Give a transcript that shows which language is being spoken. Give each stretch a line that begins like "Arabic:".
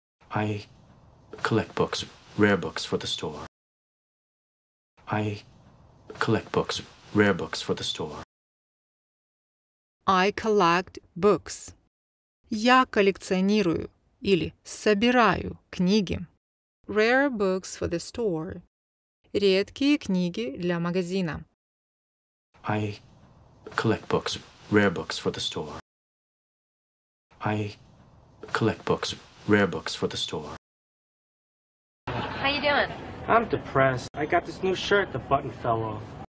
English: I collect books, rare books for the store. I collect books, rare books for the store. I collect books.
Russian: Я коллекционирую или собираю книги.
English: Rare books for the store.
Russian: Редкие книги для магазина.
English: I collect books, rare books for the store. I collect books, rare books for the store. How you doing? I'm depressed. I got this new shirt, the button fell off.